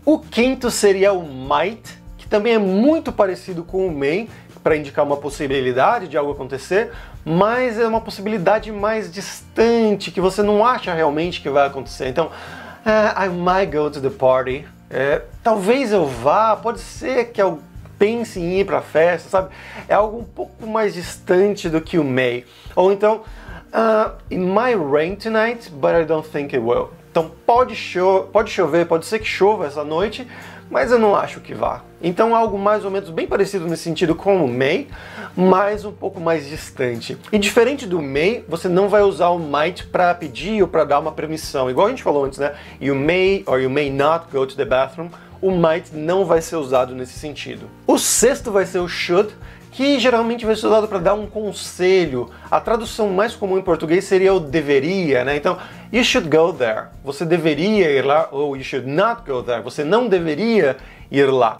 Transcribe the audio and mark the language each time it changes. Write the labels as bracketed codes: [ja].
[pt] O quinto seria o might, que também é muito parecido com o may, para indicar uma possibilidade de algo acontecer, mas é uma possibilidade mais distante, que você não acha realmente que vai acontecer. Então, [en] I might go to the party. [pt] Talvez eu vá, pode ser que eu pense em ir para a festa, sabe? É algo um pouco mais distante do que o may. Ou então, [en] it might rain tonight, but I don't think it will. [pt] Então, pode chover, pode ser que chova essa noite, mas eu não acho que vá. Então, algo mais ou menos bem parecido nesse sentido com o may, mas um pouco mais distante. E diferente do may, você não vai usar o might para pedir ou para dar uma permissão. Igual a gente falou antes, né? [en] You may or you may not go to the bathroom. [pt] O might não vai ser usado nesse sentido. O sexto vai ser o should, que geralmente vai ser usado para dar um conselho. A tradução mais comum em português seria o deveria, né? Então, [en] you should go there. [pt] Você deveria ir lá, ou [en] you should not go there. [pt] Você não deveria ir lá.